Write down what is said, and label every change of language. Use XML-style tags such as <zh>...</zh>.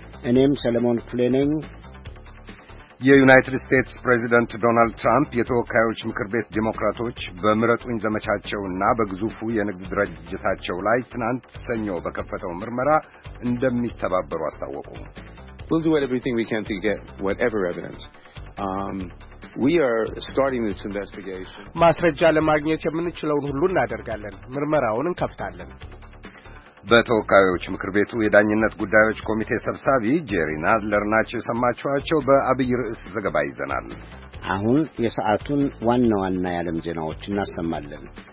<am>እኔም ሰለሞን ክፍሌ ነኝ። የዩናይትድ ስቴትስ ፕሬዚደንት ዶናልድ ትራምፕ የተወካዮች ምክር ቤት ዲሞክራቶች በምረጡኝ ዘመቻቸውና በግዙፉ የንግድ ድርጅታቸው ላይ ትናንት ሰኞ በከፈተው ምርመራ እንደሚተባበሩ አስታወቁ።</am> <en>We'll do everything we can to get whatever evidence. We are starting this investigation.</en> <am>ማስረጃ ለማግኘት የምንችለውን ሁሉ እናደርጋለን። ምርመራውን እንከፍታለን። በተወካዮች ምክር ቤቱ የዳኝነት ጉዳዮች ኮሚቴ ሰብሳቢ ጄሪ ናድለር ናቸው የሰማችኋቸው። በአብይ ርዕስ ዘገባ ይዘናል። አሁን የሰዓቱን ዋና ዋና የዓለም ዜናዎች እናሰማለን።</am>